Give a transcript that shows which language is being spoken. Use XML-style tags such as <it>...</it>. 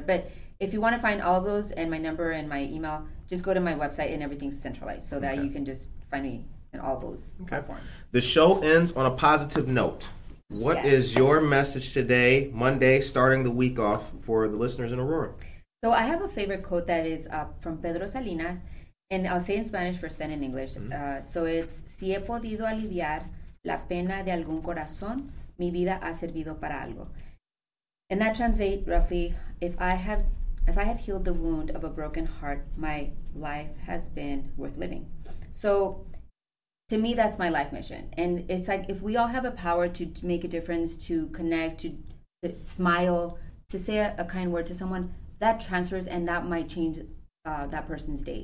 <en>But if you want to find all of those and my number and my email, just go to my website and everything's centralized so that you can just find me in all those platforms. The show ends on a positive note. What is your message today, Monday, starting the week off for the listeners in Aurora? So I have a favorite quote that is from Pedro Salinas, and I'll say in Spanish first, then in English. Mm-hmm. So it's,</en> <es>si he podido aliviar la pena de algún corazón, mi vida ha servido para algo.</es> <en>And that translates roughly, if I have healed the wound of a broken heart, my life has been worth living. So to me, that's my life mission. And it's like, if we all have a power to make a difference, to connect, to smile, to say a kind word to someone, that transfers and that might change that person's day.</en>